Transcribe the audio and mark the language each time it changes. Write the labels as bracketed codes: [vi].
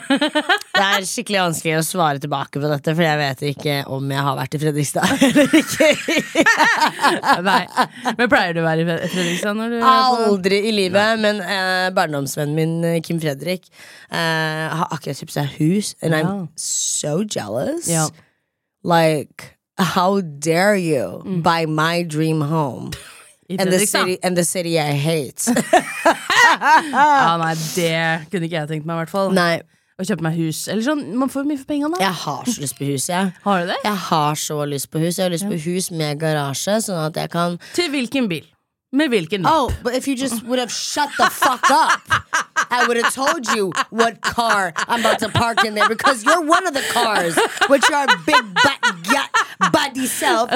[no] Det er skikkelig vanskelig å svare tilbake på dette, for jeg vet ikke om jeg har vært i Fredrikstad eller ikke. Nei, men pleier du å være i Fredrikstad når du aldri i livet, nei. Men barndomsvennen min, Kim Fredrik, har akkurat kjøpt seg hus. [en] And I'm so jealous. [no] Ja. [en] Like, how dare you buy my dream home? And the city I hate. [no] Ah, nei, det kunne ikke jeg tenkt meg i hvert fall. Nei. Å kjøpe meg hus. Eller sånn, man får mye for penger da. Jeg har så lyst på hus, jeg. Har du det? Jeg har så lyst på hus. Jeg har lyst på hus med garasje, sånn at jeg kan. Til hvilken bil? Med hvilken bil? [en] Oh, but if you just would have shut the fuck up, I would have told you what car I'm about to park in there, because you're one of the cars which are big buddy self.